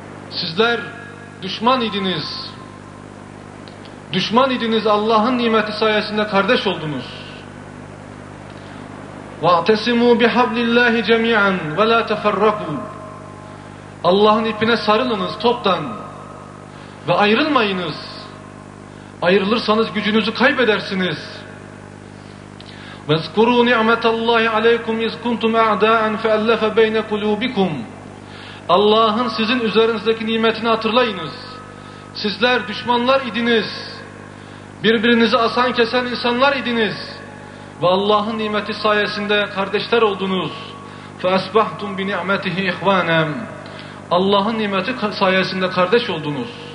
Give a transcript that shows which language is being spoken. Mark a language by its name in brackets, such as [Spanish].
[Turkish] Sizler düşman idiniz. Düşman idiniz, Allah'ın nimeti sayesinde kardeş oldunuz. [Arabic] وَاَعْتَسِمُوا بِحَبْلِ اللّٰهِ جَمِيعًا وَلَا تَفَرَّقُوا [Turkish] Allah'ın ipine sarılınız toptan ve ayrılmayınız. Ayrılırsanız gücünüzü kaybedersiniz. [Arabic] وَاَذْكُرُوا نِعْمَةَ اللّٰهِ عَلَيْكُمْ اِذْ كُنْتُمْ اَعْدَاءً فَاَلَّفَ بَيْنَ قُلُوبِكُمْ [Turkish] Allah'ın sizin üzerinizdeki nimetini hatırlayınız. Sizler düşmanlar idiniz. Birbirinizi asan kesen insanlar idiniz. Ve Allah'ın nimeti sayesinde kardeşler oldunuz. [Arabic] فَاَسْبَحْتُمْ بِنِعْمَتِهِ اِخْوَانًا [Turkish] Allah'ın nimeti sayesinde kardeş oldunuz.